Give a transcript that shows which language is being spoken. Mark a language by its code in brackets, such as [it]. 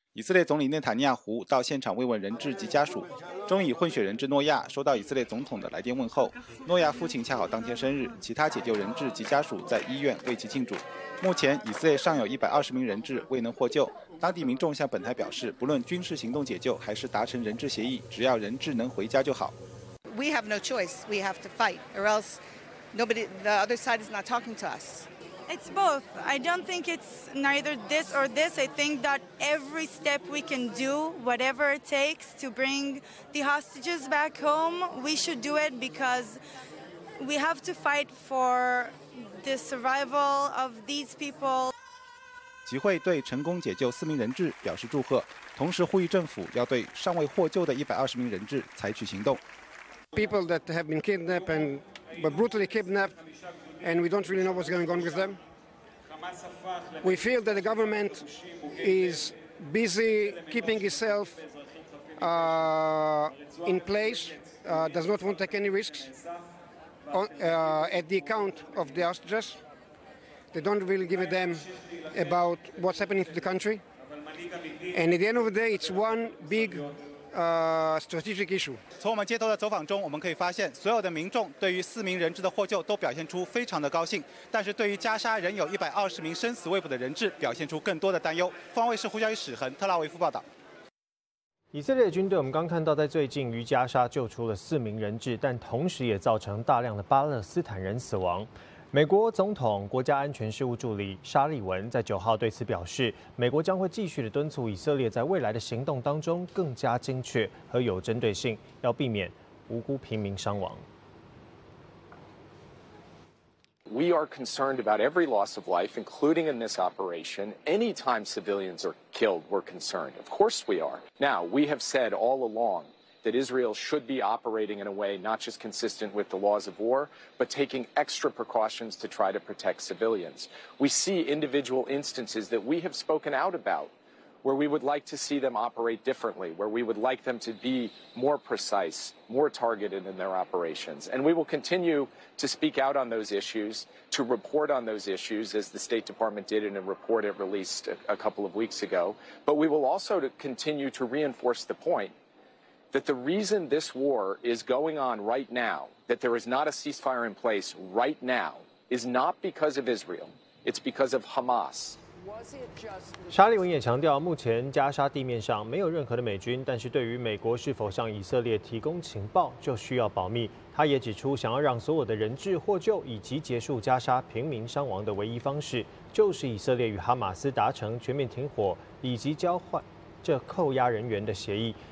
[zh] 以色列总理内塔尼亚胡到现场慰问人质及家属，中以混血人质诺亚收到以色列总统的来电问候。诺亚父亲恰好当天生日，其他解救人质及家属在医院为其庆祝。目前以色列尚有120名人质未能获救，当地民众向本台表示，不论军事行动解救还是达成人质协议，只要人质能回家就好。 [en] We have no choice, we have to fight, or else nobody, the other side is not talking to us. It's both. I don't think it's neither this or this. I think that every step we can do, whatever it takes to bring the hostages back home, we should do it because we have to fight for the survival of these people. [zh] 集会对成功解救四名人质表示祝贺，同时呼吁政府要对尚未获救的120名人质采取行动。 [en] People that have been kidnapped and were brutally kidnapped. And we don't really know what's going on with them. We feel that the government is busy keeping itself in place, does not want to take any risks at the account of the hostages. They don't really give a damn about what's happening to the country. And at the end of the day, it's one big. Strategic issue. [zh] 从我们街头的走访中，我们可以发现，所有的民众对于四名人质的获救都表现出非常的高兴，但是对于加沙仍有120名生死未卜的人质，表现出更多的担忧。方位是呼叫与史恒，特拉维夫报道。以色列军队，我们刚看到，在最近于加沙救出了四名人质，但同时也造成大量的巴勒斯坦人死亡。美国总统国家安全事务助理沙利文在9号对此表示，美国将会继续的敦促以色列在未来的行动当中更加精确和有针对性，要避免无辜平民伤亡。 [en] We are concerned about every loss of life, including in this operation. Anytime civilians are killed, we're concerned. Of course we are. Now, we have said all along. That Israel should be operating in a way not just consistent with the laws of war, but taking extra precautions to try to protect civilians. We see individual instances that we have spoken out about where we would like to see them operate differently, where we would like them to be more precise, more targeted in their operations. And we will continue to speak out on those issues, to report on those issues, as the State Department did in a report it released a couple of weeks ago. But we will also continue to reinforce the point. That the reason this war is going on right now, that there is not a ceasefire in place right now, is not because of Israel, it's because of Hamas. [zh] 沙利文也强调，目前加沙地面上没有任何的美军，但是对于美国是否向以色列提供情报，就需要保密。他也指出，想要让所有的人质获救以及结束加沙平民伤亡的唯一方式，就是以色列与哈马斯达成全面停火以及交换这扣押人员的协议。